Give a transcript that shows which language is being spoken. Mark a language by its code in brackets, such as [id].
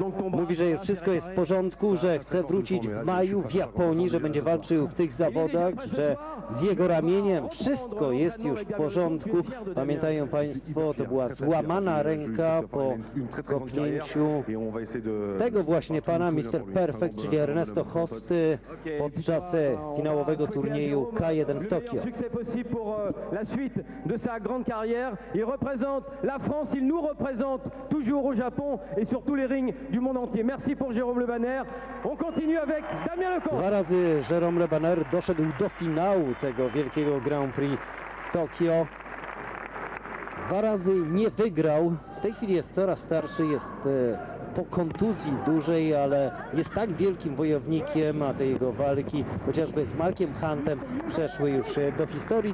[pl] Mówi, że wszystko jest w porządku, że chce wrócić w maju w Japonii, że będzie walczył w tych zawodach, że z jego ramieniem wszystko jest już w porządku. Pamiętają Państwo, to była złamana ręka po kopnięciu tego właśnie pana, Mr. Perfect, czyli Ernesto Hosty, podczas finałowego turnieju K1 w Tokio. [fr] La suite de sa grande carrière. Il représente la France, il nous représente toujours au Japon et sur tous les rings du monde entier. Merci pour Jérôme Lebaner. On continue avec Damien Lecomte. [pl] Dwa razy Jérôme Lebaner doszedł do finału tego wielkiego Grand Prix w Tokio. Dwa razy nie wygrał. W tej chwili jest coraz starszy, jest po kontuzji dużej, ale jest tak wielkim wojownikiem, a te jego walki, chociażby z Markiem Huntem, przeszły już do historii.